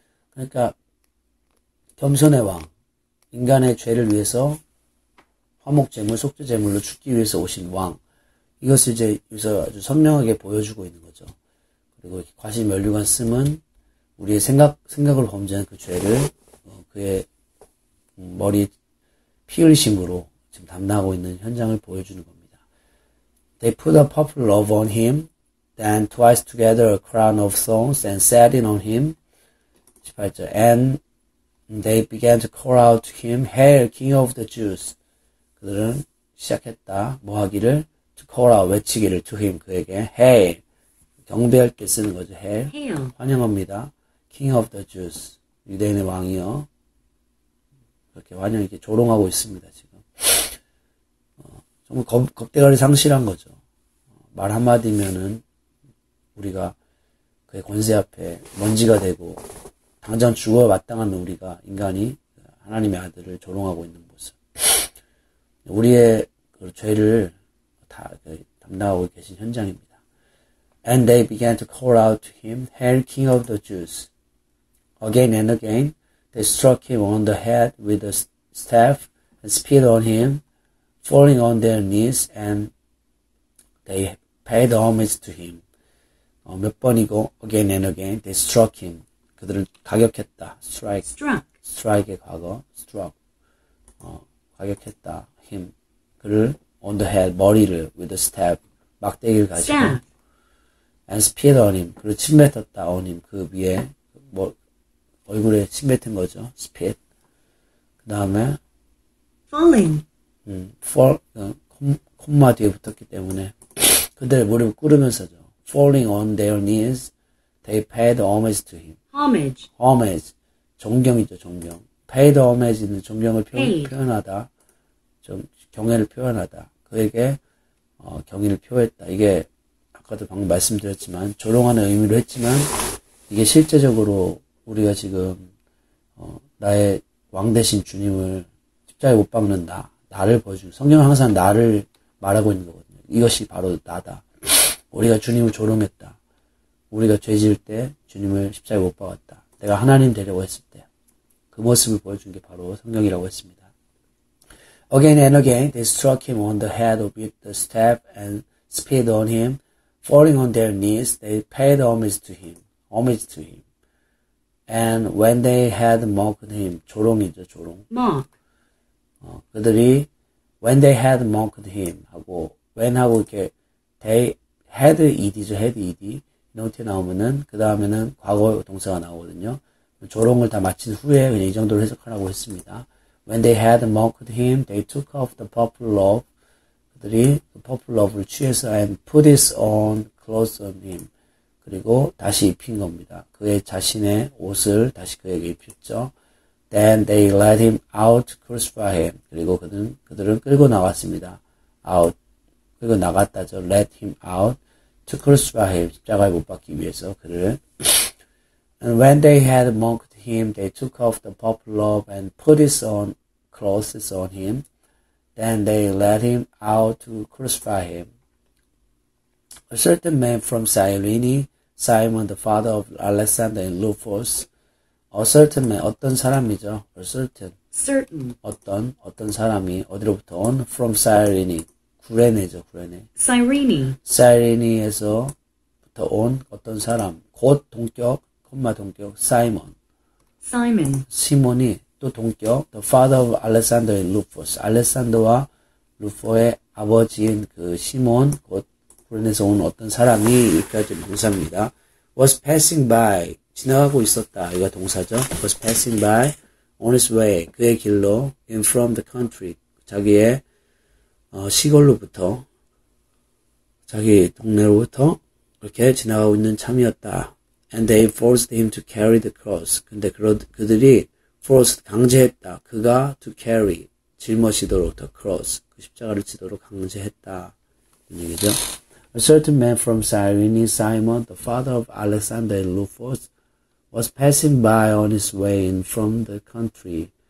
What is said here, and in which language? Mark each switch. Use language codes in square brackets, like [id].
[ko] 그러니까, 겸손의 왕, 인간의 죄를 위해서, 화목제물, 속죄제물로 죽기 위해서 오신 왕, 이것을 이제 여기서 아주 선명하게 보여주고 있는 거죠. 그리고 과시멸류관 씀은, 우리의 생각을 범죄한 그 죄를, 그의 머리 피 흘리심으로 지금 담당하고 있는 현장을 보여주는 겁니다. [en] They put a purple robe on him, then twice together a crown of thorns and set it on him. [ko] 18절, [en] and they began to call out to him, Hail, King of the Jews. [ko] 그들은 시작했다. 뭐 하기를? [en] To call out, [ko] 외치기를 [en] to him, [ko] 그에게. [en] Hail. [ko] 경배할 때 쓰는 거죠. [en] Hail. Hail. [ko] 환영합니다. [en] King of the Jews. [ko] 유대인의 왕이요. 이렇게 환영, 이렇게 조롱하고 있습니다, 지금. 너무 겁대가리 상실한 거죠. 말 한마디면은 우리가 그의 권세 앞에 먼지가 되고 당장 죽어 마땅한 우리가 인간이 하나님의 아들을 조롱하고 있는 모습. 우리의 그 죄를 다 담당하고 계신 현장입니다. [en] And they began to call out to him, Hail King of the Jews. Again and again, they struck him on the head with a staff and spit on him, falling on their knees, and they paid homage to him. [ko] 몇 번이고, [en] again and again, they struck him. [ko] 그들은 가격했다. Strike. [en] Struck. [ko] Strike의 과거. [en] Struck. [ko] 가격했다. [en] Him. [ko] 그를 [en] on the head, [ko] 머리를, [en] with a staff. [ko] 막대기를 가지고. [en] Staff. And spit on him. [ko] 그를 침뱉었다. [en] On him. [ko] 그 위에, 뭐, 얼굴에 침뱉은 거죠. [en] Spit. [ko] 그 다음에. [en] Falling. Fall. [ko] 콤마 뒤에 붙었기 때문에. 그들의 무릎을 꿇으면서죠. [en] Falling on their knees, they paid homage to him. Homage. Homage. [ko] 존경이죠, 존경. [en] Paid homage는 [ko] 존경을 표현하다. 경애를 표현하다. 그에게 경의를 표했다. 이게 아까도 방금 말씀드렸지만 조롱하는 의미로 했지만 이게 실제적으로 우리가 지금 나의 왕 대신 주님을 십자에 못 박는다. 나를 보여주고 성경은 항상 나를 말하고 있는 거거든요. 이것이 바로 나다. 우리가 주님을 조롱했다. 우리가 죄 지을 때 주님을 십자에 못 박았다. 내가 하나님 되려고 했을 때 그 모습을 보여준 게 바로 성경이라고 했습니다. [en] Again and again, they struck him on the head with the staff and spit on him. Falling on their knees, they paid homage to him. Homage to him. And when they had mocked him, [ko] 조롱이죠, 조롱. [en] Mock. [ko] 그들이 [en] when they had mocked him [ko] 하고 when 하고 이렇게 [en] they had ed죠, had ed. [ko] 노트에 나오면은 그 다음에는 과거 동사가 나오거든요. 조롱을 다 마친 후에 그냥 이 정도로 해석하라고 했습니다. [en] When they had mocked him, they took off the purple robe. [ko] 그들이 그 [en] purple robe를 [ko] 취해서 [en] and put it on clothes on him. [ko] 그리고 다시 입힌 겁니다. 그의 자신의 옷을 다시 그에게 입혔죠. [en] Then they led him out to crucify him. [ko] 그리고 그들은 끌고 나갔습니다. [en] Out. [ko] 끌고 나갔다죠. [en] Let him out to crucify him. [ko] 십자가에 못 박기 위해서 그를. [en] And when they had mocked him, they took off the purple robe and put his own clothes on him. Then they led him out to crucify him. A certain man from Cyrene, Simon, the father of Alexander and Rufus. A certain man, [ko] 어떤 사람이죠? [en] A certain. Certain. [ko] 어떤 사람이 어디로부터 온? [en] From Cyrene. [ko] 구레네죠, 구레네. [en] Cyrene. Cyrene에서부터 [ko] 온 어떤 사람. 곧 동격, 콤마 동격, Simon. [en] Simon. [ko] 시몬이 또 동격, [en] the father of Alexander and Rufus. [ko] 알렉산더와 루포의 아버지인 그 시몬, 곧 구레네에서 온 어떤 사람이 이렇게 묘사입니다. [en] Was passing by. [ko] 지나가고 있었다. 이거 동사죠. [en] Was passing by on his way. [ko] 그의 길로. [en] In from the country. [ko] 자기의 시골로부터. 자기 동네로부터. 이렇게 지나가고 있는 참이었다. [en] And they forced him to carry the cross. [ko] 근데 그들이 [en] forced, [ko] 강제했다. 그가 [en] to carry, [ko] 짊어지도록 [en] the cross, [ko] 그 십자가를 지도록 강제했다. 이 얘기죠. [en] A certain man from Cyrene, Simon, the father of Alexander and Rufus, was passing by on his way in from the country.